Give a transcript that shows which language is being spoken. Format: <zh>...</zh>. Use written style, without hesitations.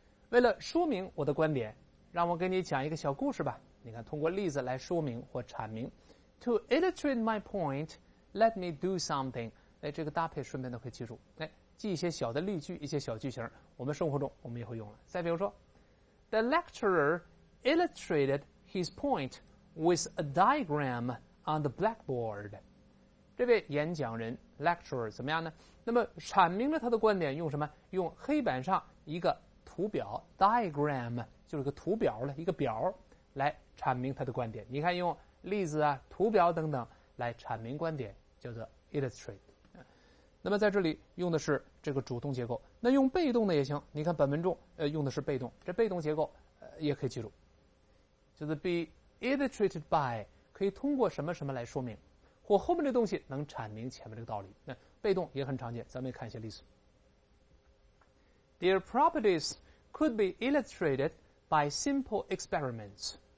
<zh>为了说明我的观点，让我给你讲一个小故事吧。你看，通过例子来说明或阐明。</zh> <en>To illustrate my point, let me do something。</en> <zh>哎，这个搭配顺便都可以记住。哎，记一些小的例句，一些小句型，我们生活中我们也会用了。再比如说</zh> <en>，The lecturer illustrated his point with a diagram on the blackboard。</en> <zh>这位演讲人 lecturer 怎么样呢？那么阐明了他的观点，用什么？用黑板上一个图表 diagram， 就是个图表了，一个表来阐明他的观点。你看，用例子啊、图表等等来阐明观点，叫做 illustrate。那么在这里用的是这个主动结构，那用被动的也行。你看本文中用的是被动，这被动结构也可以记住，就是 be illustrated by 可以通过什么什么来说明，或后面的东西能阐明前面这个道理。那被动也很常见，咱们也看一些例子。</zh> <en>Their properties could be illustrated by simple experiments。</en>